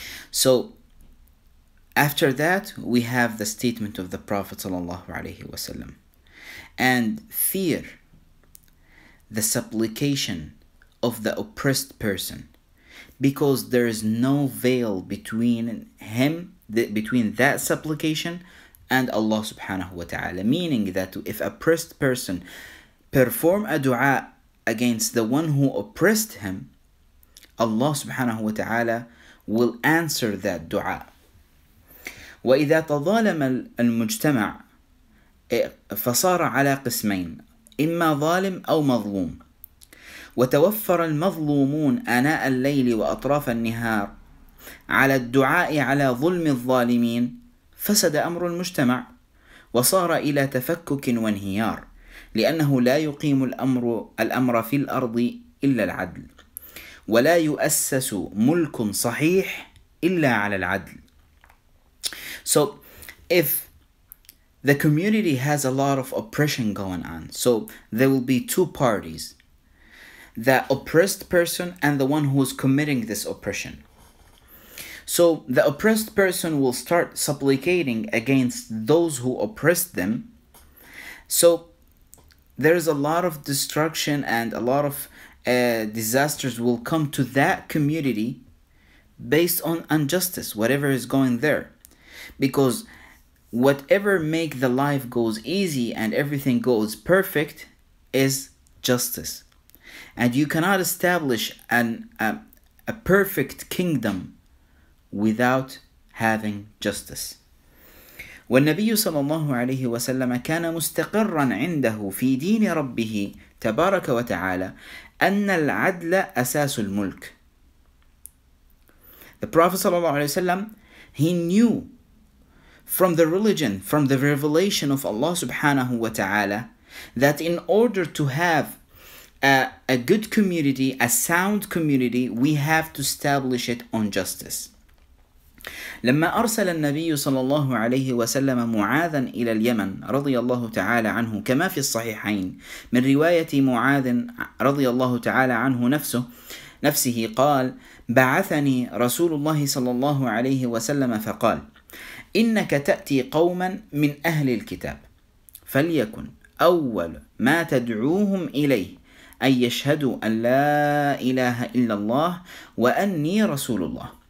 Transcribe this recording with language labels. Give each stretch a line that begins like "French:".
English: So after that, we have the statement of the Prophet sallallahu alayhi wa sallam, and fear the supplication of the oppressed person, because there is no veil between him, between that supplication and Allah subhanahu wa ta'ala. Meaning that if a oppressed person perform a dua against the one who oppressed him, Allah subhanahu wa ta'ala will answer that dua.
Arabic: وَإِذَا تَظَالَمَ الْمُجْتَمَعِ فَصَارَ عَلَىٰ قِسْمَيْنِ إِمَّا ظَالِمْ أَوْ مَظْلُومٍ وتوفر المظلومون أناء الليل وأطراف النهار على الدعاء على ظلم الظالمين فسد أمر المجتمع وصار إلى تفكك وانهيار لأنه لا يقيم الأمر في الأرض إلا العدل ولا يؤسس ملك صحيح إلا على العدل.
English: So if the community has a lot of oppression going on, so there will be two parties: the oppressed person and the one who is committing this oppression. So the oppressed person will start supplicating against those who oppressed them. So there is a lot of destruction and a lot of disasters will come to that community based on injustice, whatever is going there. Because whatever make the life goes easy and everything goes perfect is justice. And you cannot establish a perfect kingdom without having justice.
Arabic: والنبي صلى الله عليه وسلم كان مستقرا عنده في دين ربه تبارك وتعالى أن العدل أساس الملك.
English: The Prophet
Arabic: صلى الله عليه وسلم,
English: he knew from the religion, from the revelation of Allah subhanahu wa ta'ala, that in order to have a good community, a sound community, we have to establish it on justice.
Arabic: لما أرسل النبي صلى الله عليه وسلم معاذا إلى اليمن رضي الله تعالى عنه كما في الصحيحين من رواية معاذ رضي الله تعالى عنه نفسه قال بعثني رسول الله صلى الله عليه وسلم فقال إنك تأتي قوما من أهل الكتاب فليكن أول ما تدعوهم إليه أن يشهدوا أن لا إله إلا الله وأني رسول الله